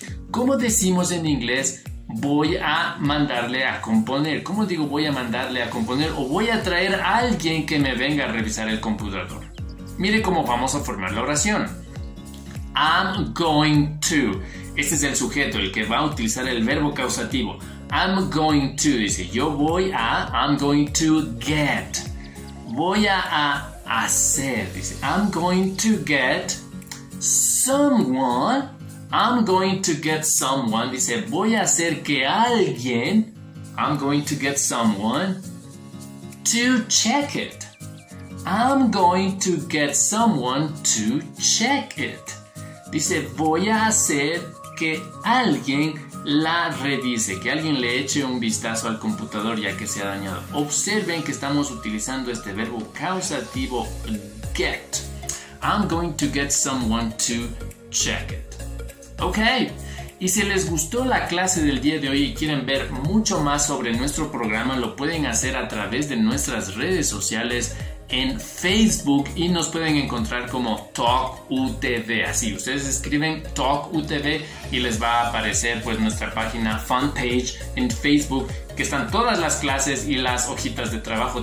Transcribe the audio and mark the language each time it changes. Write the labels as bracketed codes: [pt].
[es] ¿Cómo decimos en inglés voy a mandarle a componer? ¿Cómo digo voy a mandarle a componer o voy a traer a alguien que me venga a revisar el computador? Mire cómo vamos a formar la oración. [en] I'm going to. [es] Este es el sujeto, el que va a utilizar el verbo causativo. [en] I'm going to, dice, [es] yo voy a, [en] I'm going to get. [es] Voy a hacer, [en] dice, I'm going to get someone. I'm going to get someone, dice, [es] voy a hacer que alguien, [en] I'm going to get someone to check it. I'm going to get someone to check it. [es] Dice, voy a hacer que alguien la revise, que alguien le eche un vistazo al computador ya que se ha dañado. Observen que estamos utilizando este verbo causativo get. [en] I'm going to get someone to check it. [es] Ok, y si les gustó la clase del día de hoy y quieren ver mucho más sobre nuestro programa, lo pueden hacer a través de nuestras redes sociales en Facebook y nos pueden encontrar como Talk UTV. Así, ustedes escriben Talk UTV y les va a aparecer pues nuestra página fan page en Facebook, que están todas las clases y las hojitas de trabajo.